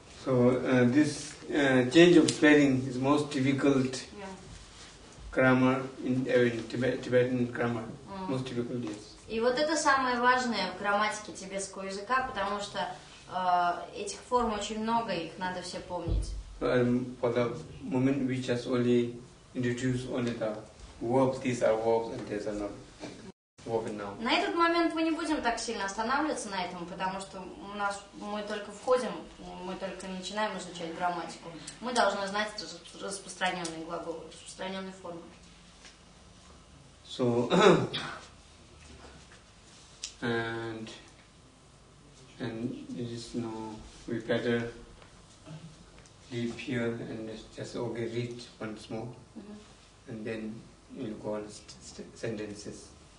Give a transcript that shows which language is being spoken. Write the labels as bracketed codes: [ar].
[en] So this change of spelling is most difficult grammar in Tibetan grammar. Most difficult is. [ru] И вот это самое важное в грамматике тибетского языка, потому что этих форм очень много, их надо все помнить. [en] So, for the moment we just only introduce only the verbs. These are verbs and these are not. [ru] На этот момент мы не будем так сильно останавливаться на этом, потому что у нас мы только входим, мы только начинаем изучать грамматику. Мы должны знать распространенные глаголы, распространенные формы. [en] So and it is no we better leave here and just okay read once more and then we'll go on sentences.